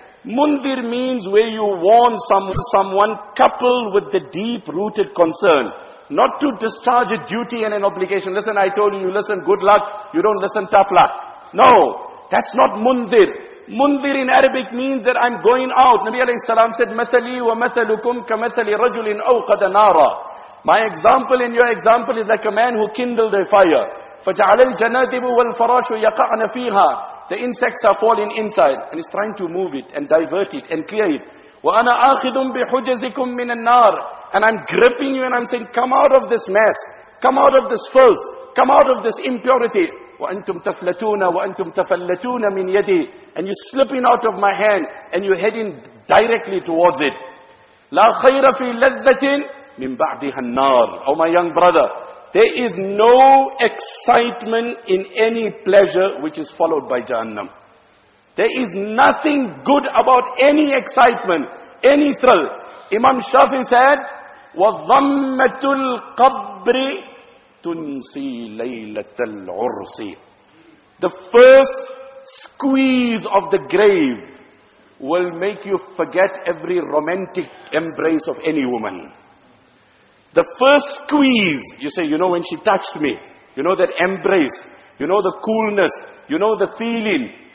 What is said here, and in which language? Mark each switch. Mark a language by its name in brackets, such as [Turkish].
[English] Mundhir means where you warn someone coupled with the deep-rooted concern. Not to discharge a duty and an obligation. Listen, I told you, you listen, good luck. You don't listen, tough luck. No, that's not mundhir. Mundhir in Arabic means that I'm going out. Nabi alayhi salam said, [Arabic] مَثَلِي وَمَثَلُكُمْ كَمَثَلِ رَجُلٍ أَوْقَدَ نَارًا. [English] My example and your example is like a man who kindled a fire. [Arabic] فَجَعَلَ الْجَنَادِبُ وَالْفَرَاشُ يَقَعْنَ فِيهَا. [English] The insects are falling inside, and he's trying to move it and divert it and clear it. [Arabic] وَأَنَا أَخِذٌ بِحُجَزِكُمْ مِنَ النَّارِ. [English] And I'm gripping you and I'm saying, come out of this mess, come out of this filth, come out of this impurity. [Arabic] وَأَنْتُمْ تَفْلَتُونَ وَأَنْتُمْ تَفَلَّتُونَ مِنْ يَدِي. [English] And you're slipping out of my hand and you're heading directly towards it. [Arabic] لَا خَيْرَ فِي لَذَّةٍ مِنْ بَعْدِهَا النَّارِ. [English] Oh my young brother, there is no excitement in any pleasure which is followed by Jahannam. There is nothing good about any excitement, any thrill. Imam Shafi said, [Arabic] وَظَمَّةُ الْقَبْرِ تُنْسِي لَيْلَةَ الْعُرْسِ. [English] The first squeeze of the grave will make you forget every romantic embrace of any woman. The first squeeze, you say, you know when she touched me, you know that embrace, you know the coolness, you know the feeling.